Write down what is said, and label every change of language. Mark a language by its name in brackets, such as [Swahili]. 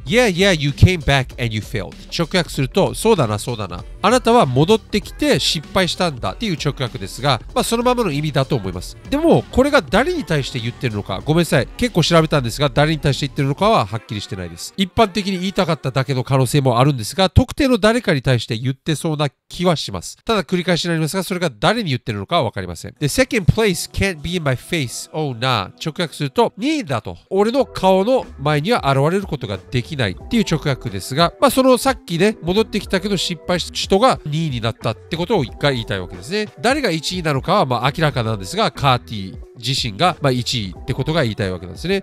[English] Yeah, yeah, you came back and you failed。 [Japanese] 直訳すると、そうだなそうだな、あなたは戻ってきて失敗したんだっていう直訳ですが、そのままの意味だと思います。でもこれが誰に対して言ってるのか、ごめんなさい、結構調べたんですが誰に対して言ってるのかははっきりしてないです。一般的に言いたかっただけの可能性もあるんですが、特定の誰かに対して言ってそうな気はします。ただ繰り返しになりますが、それが誰に言ってるのかは分かりません。 [English] The second place can't be in my face, oh nah。 [Japanese] 直訳すると、2位だと俺の顔の前には現れることができないっていう直訳ですが、そのさっきね戻ってきたけど失敗した人が2位になったってことを一回言いたいわけですね。誰が1位なのかは明らかなんですが、カーティー自身が1位ってことが言いたいわけなんですね。